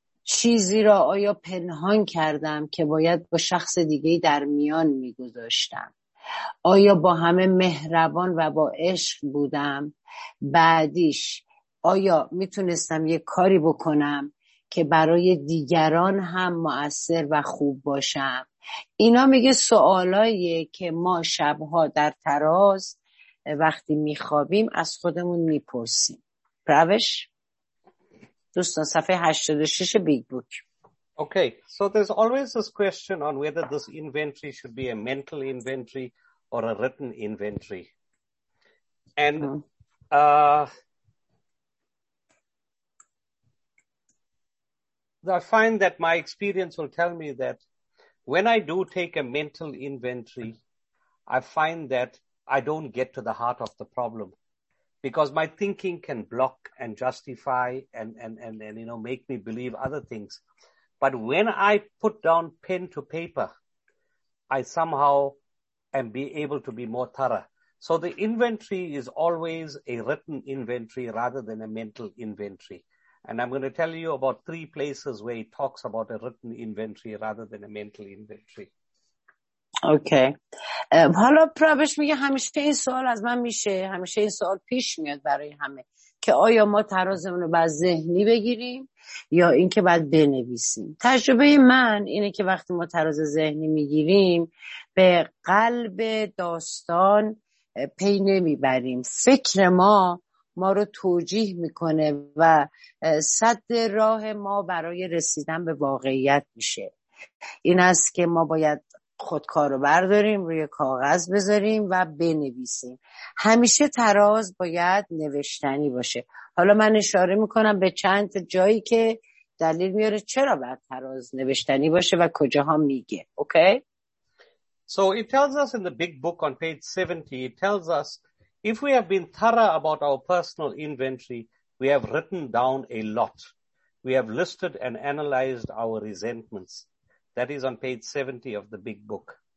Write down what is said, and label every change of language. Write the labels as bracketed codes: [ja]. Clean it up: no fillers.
[fa] چیزی را آیا پنهان کردم که باید با شخص دیگه در میان میگذاشتم؟ آیا با همه مهربان و با عشق بودم؟ بعدیش آیا میتونستم یه کاری بکنم که برای دیگران هم مؤثر و خوب باشم؟ اینا میگه سوالاییه که ما شبها در تراز وقتی میخوابیم از خودمون میپرسیم. پروش دوستان صفحه 86 بیگ بوک. [en] Okay, so there's always this question on whether this inventory should be a mental inventory or a written inventory. And I find that my experience will tell me that when I do take a mental inventory, I find that I don't get to the heart of the problem. Because my thinking can block and justify and you know, make me believe other things. But when I put down pen to paper, I somehow am be able to be more thorough. So the inventory is always a written inventory rather than a mental inventory. And I'm going to tell you about three places where he talks about a written inventory rather than a mental inventory. Okay. [fa] حالا پروش میگه همیشه این سوال از من میشه، همیشه این سوال پیش میاد برای همه که آیا ما ترازمون رو بعد ذهنی بگیریم یا اینکه بعد بنویسیم. تجربه من اینه که وقتی ما تراز ذهنی میگیریم به قلب داستان پی نمیبریم، فکر ما رو توجیه میکنه و سد راه ما برای رسیدن به واقعیت میشه. این است که ما باید خودکار رو برداریم، روی کاغذ بذاریم و بنویسیم. همیشه تراز باید نوشتنی باشه. حالا من اشاره میکنم به چند جایی که دلیل میاره چرا باید تراز نوشتنی باشه و کجاها میگه. [en] Okay? So it tells us in the big book on page 70, it tells us if we have been thorough about our personal inventory, we have written down a lot. We have listed and analyzed our resentments. That is on page 70 of the big book.